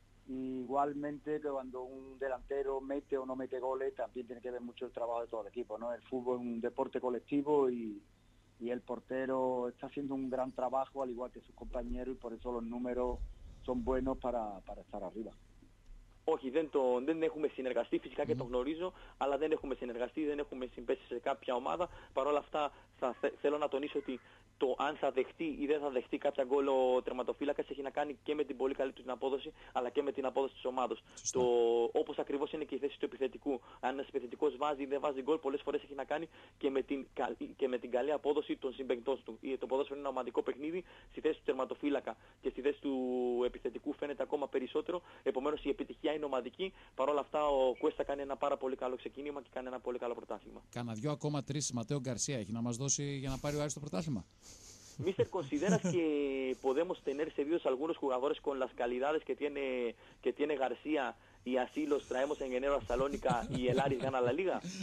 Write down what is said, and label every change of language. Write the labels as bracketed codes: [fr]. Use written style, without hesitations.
[es] Igualmente que cuando un delantero mete o no mete goles también tiene que ver mucho el trabajo de todo el equipo, ¿no? El fútbol es un deporte colectivo y el portero está haciendo un gran trabajo al igual que sus compañeros y por eso los números son buenos para estar arriba. [el] Όχι, δεν έχουμε συνεργαστεί, φυσικά και το γνωρίζω, αλλά δεν έχουμε συνεργαστεί, δεν έχουμε συμπέσει σε κάποια ομάδα. Παρ' όλα αυτά, θέλω να τονίσω ότι το αν θα δεχτεί ή δεν θα δεχτεί κάποια γκολ ο τερματοφύλακας έχει να κάνει και με την πολύ καλή του την απόδοση, αλλά και με την απόδοση της ομάδος. Όπως ακριβώς είναι και η θέση του επιθετικού. Αν ένας επιθετικός βάζει ή δεν βάζει γκολ, πολλές φορές έχει να κάνει και με την καλή απόδοση των συμπαιχτών του. Το ποδόσφαιρο είναι ένα ομαδικό παιχνίδι, στη θέση του τερματοφύλακα και στη θέση του επιθετικού φαίνεται ακόμα περισσότερο. Επομένως, η επιτυχία είναι ομαδική. Παρ' όλα αυτά, ο Κουέστα κάνει ένα πάρα πολύ καλό ξεκίνημα και κάνει ένα πολύ καλό πρωτάθλημα. Κάνα 2 ακόμα 3 Ματέο Γκαρσία έχει να μας δώσει για να πάρει ο Άρης το πρωτάθλημα. [es] Mister, ¿consideras que podemos tener servidos algunos jugadores con las calidades que tiene García y así los traemos en enero a Salónica y el Aris gana la Liga?